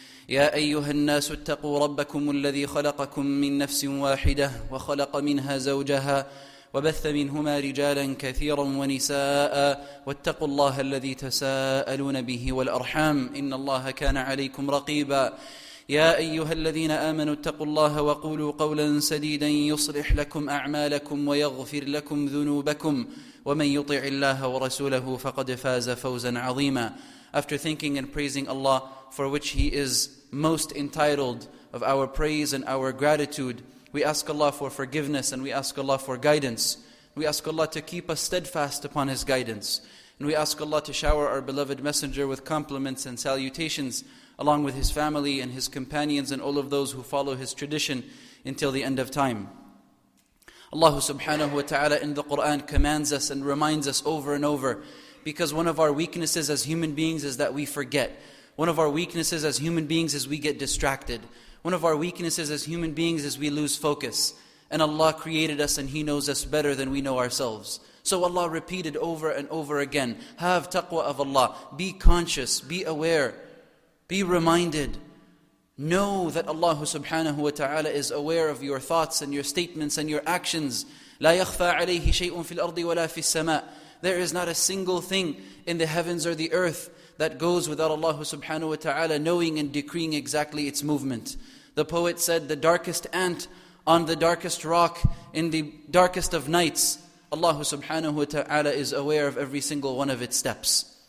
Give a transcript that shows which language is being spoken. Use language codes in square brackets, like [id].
[ar] يا أيها الناس اتقوا ربكم الذي خلقكم من نفس واحدة وخلق منها زوجها وبث منهما رجالا كثيرا ونساء واتقوا الله الذي تساءلون به والأرحام إن الله كان عليكم رقيبا يا أيها الذين آمنوا اتقوا الله وقولوا قولا سديدا يصلح لكم أعمالكم ويغفر لكم ذنوبكم ومن يطع الله ورسوله فقد فاز فوزا عظيما. [en] After thanking and praising Allah, for which He is most entitled of our praise and our gratitude, we ask Allah for forgiveness and we ask Allah for guidance. We ask Allah to keep us steadfast upon His guidance. And we ask Allah to shower our beloved messenger with compliments and salutations along with his family and his companions and all of those who follow his tradition until the end of time. Allah subhanahu wa ta'ala in the Qur'an commands us and reminds us over and over, because one of our weaknesses as human beings is that we forget. One of our weaknesses as human beings is we get distracted. One of our weaknesses as human beings is we lose focus. And Allah created us and He knows us better than we know ourselves. So Allah repeated over and over again, have taqwa of Allah, be conscious, be aware, be reminded. Know that Allah subhanahu wa ta'ala is aware of your thoughts and your statements and your actions. [ar] لا يخفى عليه شيء في الأرض ولا في السماء. [en] There is not a single thing in the heavens or the earth that goes without Allah subhanahu wa ta'ala knowing and decreeing exactly its movement. The poet said, the darkest ant on the darkest rock in the darkest of nights, Allah subhanahu wa ta'ala is aware of every single one of its steps.